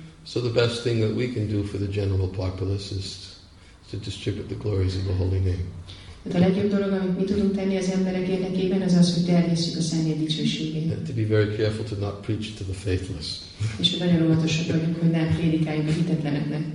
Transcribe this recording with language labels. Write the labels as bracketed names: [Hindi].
[English] So the best thing that we can do for the general populace is to distribute the glories of the holy name. [Hungarian] Tehát a legjobb dolog, amit mi tudunk tenni az emberek érdekében, az az, hogy terjesszük a szennyed dicsőségét. [English] And to be very careful to not preach to the faithless. [Hungarian] És hogy nagyon óvatosak vagyunk, hogy nem prédikáljuk a hitetleneknek.